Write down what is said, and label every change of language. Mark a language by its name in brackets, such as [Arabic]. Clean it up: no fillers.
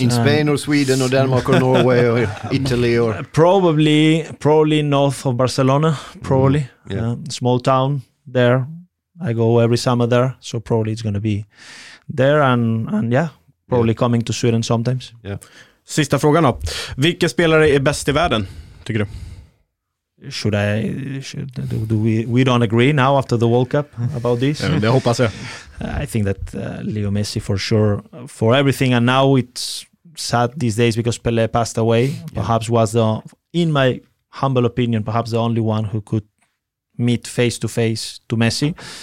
[English] In Spain or Sweden or Denmark or Norway or Italy? Or Probably north of Barcelona, probably. Mm, yeah. Small town there. I go every summer there, so probably it's going to be there. And coming to Sweden sometimes. Yeah. [Swedish] Sista frågan då. Vilka spelare är bäst i världen, tycker du? [English] Should we don't agree now after the World Cup about this? [Swedish] Det hoppas jag. [English] I think that Leo Messi, for sure, for everything. And now it's sad these days because Pelé passed away. Yeah. Perhaps was the, in my humble opinion, perhaps the only one who could meet face to face to Messi.